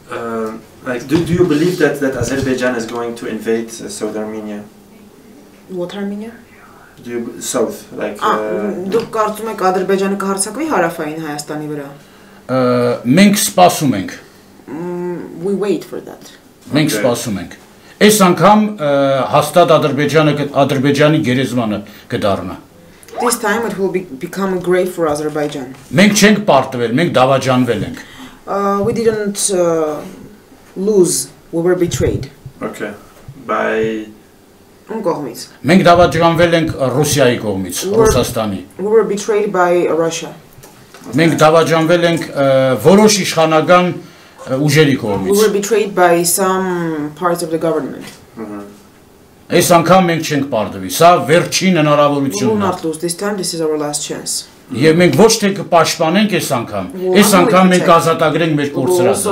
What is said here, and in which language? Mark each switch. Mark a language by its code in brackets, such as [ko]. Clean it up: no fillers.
[en] Do you believe that Azerbaijan is going to invade South Armenia? What Armenia? South, like. [hy] Դուք կարծում եք Ադրբեջանը կհարձակվի հարավային Հայաստանի վրա? Մենք սպասում ենք. [en] We wait for that. [hy] Մենք սպասում ենք. Այս անգամ հաստատ Ադրբեջանը Ադրբեջանի գերեզմանը կդառնա. [en] This time it will become a grave for Azerbaijan. [hy] Մենք չենք պարտվել, մենք դավաճանվել ենք. [en] We didn't lose, we were betrayed. Okay. By [hy] Ունկողմից. Մենք դավաճանվել ենք Ռուսիայի կողմից, Ռուսաստանի. [en] We were betrayed by Russia. [hy] Մենք դավաճանվել ենք որոշ իշխանական ուժերի կողմից. [en] We were betrayed by some parts of the government. [hy] Այս անգամ մենք չենք պարտվի, սա վերջին հնարավորությունն է. [en] We will not lose, this time this is our last chance. [hy] Եվ մենք ոչ թե կպաշտպանենք այս անգամ, այս անգամ մենք ազատագրենք մեր կորցրածը.